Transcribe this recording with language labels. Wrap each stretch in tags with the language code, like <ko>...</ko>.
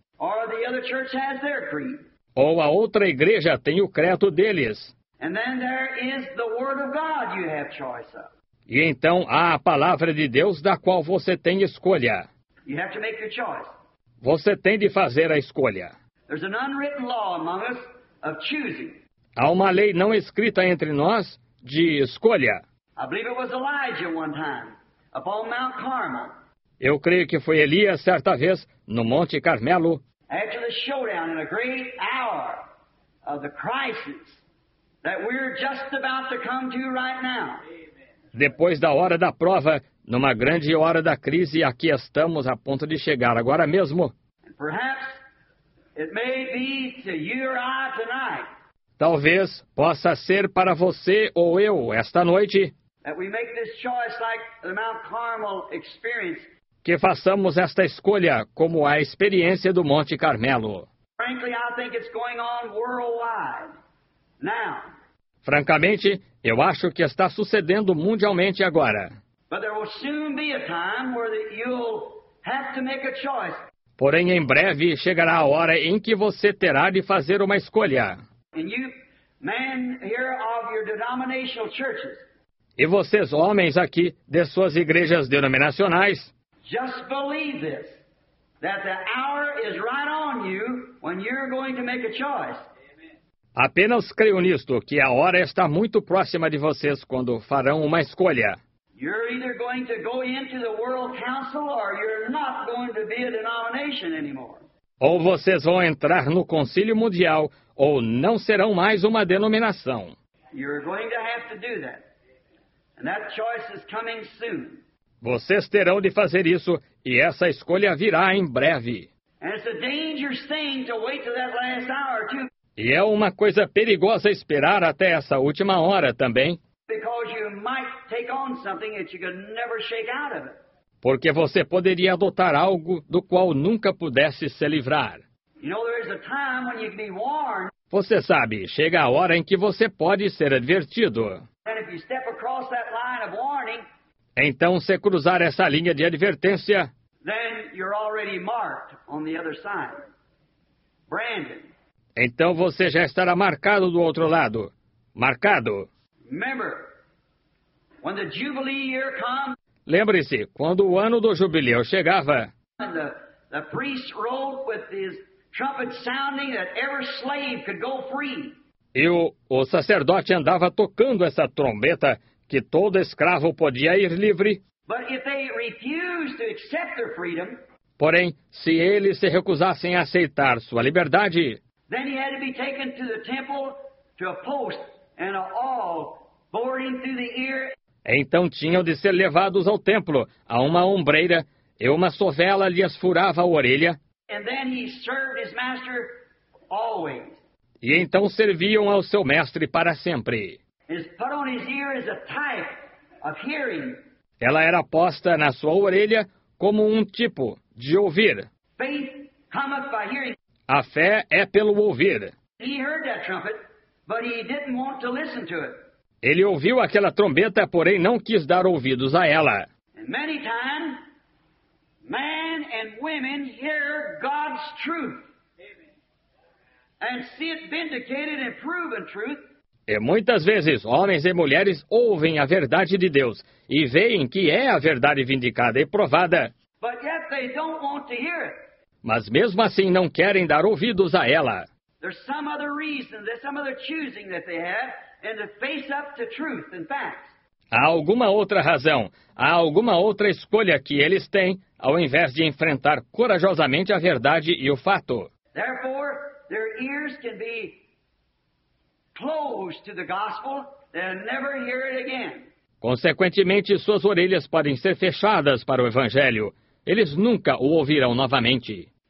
<pt>Ou a outra igreja tem seu credo. Ou a outra igreja tem o credo deles.</pt> <en>And then there is the word of God you have choice of.</en> <pt>E então há a palavra de Deus da qual você tem escolha.</pt> <en>You have to make your choice.</en> <pt>Você tem de fazer a escolha.</pt> <en>There's an unwritten law among us of choosing.</en> <pt>Há uma lei não escrita entre nós de escolha.</pt> <en>I believe it was Elijah one time, upon Mount Carmel.</en> <pt>Eu creio que foi Elias certa vez no Monte Carmelo.</pt> <en>After the showdown in a great hour of the crisis that we're just about to come to right now.</en> <pt>Depois da hora da prova, numa grande hora da crise, aqui estamos a ponto de chegar agora mesmo.</pt> <en>And perhaps it may be to you or I tonight.</en> <pt>Talvez possa ser para você ou eu esta noite.</pt> <en>That we make this choice like the Mount Carmel experience.</en> <pt>Que façamos esta escolha como a experiência do Monte Carmelo.</pt> <en>Frankly, I think it's going on worldwide now.</en> <pt>Francamente, eu acho que está sucedendo mundialmente agora.</pt> <en>But there will soon be a time where you'll have to make a choice.</en> <pt>Porém, em breve chegará a hora em que você terá de fazer uma escolha.</pt> <en>And you, men here of your denominational churches.</en> <pt>E vocês, homens aqui de suas igrejas denominacionais,</pt> <en>just believe this, that the hour is right on you when you're going to make a choice.</en> <pt>Apenas creio nisto, que a hora está muito próxima de vocês quando farão uma escolha.</pt> <en>You're either going to go into the World Council or you're not going to be a denomination anymore.</en> <pt>Ou vocês vão entrar no Conselho Mundial ou não serão mais uma denominação.</pt> <en>You're going to have to do that. And that choice is coming soon.</en> <pt>Vocês terão de fazer isso e essa escolha virá em breve.</pt> <en>And it's a dangerous thing to wait till that last hour too.</en> <pt>E é uma coisa perigosa esperar até essa última hora também.</pt> <en>Because you might take on something that you could never shake out of it.</en> <pt>Porque você poderia adotar algo do qual nunca pudesse se livrar.</pt> <en>You know, there is a time when you can be warned.</en> <pt>Você sabe, chega a hora em que você pode ser advertido.</pt> <en>And if you step across that line of warning,</en> <pt>então, se cruzar essa linha de advertência,</pt> <en>then you're already marked on the other side. Brandon.</en> <pt>Então você já estará marcado do outro lado. Marcado.</pt> <en>Remember, when the jubilee year comes,</en> <pt>lembre-se, quando o ano do jubileu chegava,</pt> <en>the priest rode with his trumpet sounding that every slave could go free.</en> <pt>E o sacerdote andava tocando essa trombeta que todo escravo podia ir livre.</pt> <en>But if they refused to accept their freedom,</en> <pt>porém, se eles se recusassem a aceitar sua liberdade,</pt> <en>then he had to be taken to the temple to a post and an awl boring through the ear.</en> <pt>Então tinham de ser levados ao templo, a uma ombreira, e uma sovela lhes furava a orelha.</pt> <en>And then he served his master always.</en> <pt>E então serviam ao seu mestre para sempre.</pt> <en>Is put on his ear as a type of hearing.</en> <pt>Ela era posta na sua orelha como um tipo de ouvir.</pt> <en>Faith cometh by hearing.</en> <pt>A fé é pelo ouvir.</pt> <en>He heard that trumpet, but he didn't want to listen to it.</en> <pt>Ele ouviu aquela trombeta, porém não quis dar ouvidos a ela.</pt> <en>And many times, men and women hear God's truth. And see it vindicated and proven truth.</en> <pt>E muitas vezes, homens e mulheres ouvem a verdade de Deus e veem que é a verdade vindicada e provada.</pt> <en>But yet they don't want to hear it.</en> <pt>Mas mesmo assim não querem dar ouvidos a ela.</pt> <en>There's some other reason, there's some other choosing that they have, and to face up to truth and facts.</en> <pt>Há alguma outra razão, há alguma outra escolha que eles têm, ao invés de enfrentar corajosamente a verdade e o fato.</pt> <en>Therefore, their ears can be closed to the gospel, they'll never hear it again.</en> <pt>Consequentemente, suas orelhas podem ser fechadas para o Evangelho. Eles nunca o ouvirão novamente.</pt>